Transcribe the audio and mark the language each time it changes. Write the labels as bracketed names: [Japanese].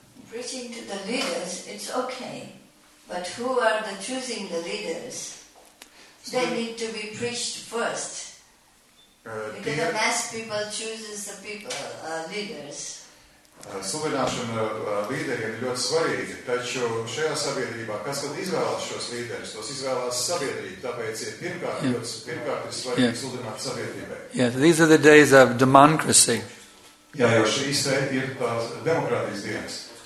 [English] Preaching to the leaders, it's okay. But who are the choosing the leaders? They need to be preached first. Because the mass people chooses the people, leaders. [Latvian] Suvināšana līderiem ir ļoti svarīga, taču šajā sabiedrībā, kas tad izvēlas šos līderus, tos izvēlas sabiedrība, tāpēc ir pirmkārt ir svarīgi suvināt sabiedrībai. [English] Yes, these are the days of democracy. [Latvian] Jā, jo šīs ir tās demokrātijas dienas.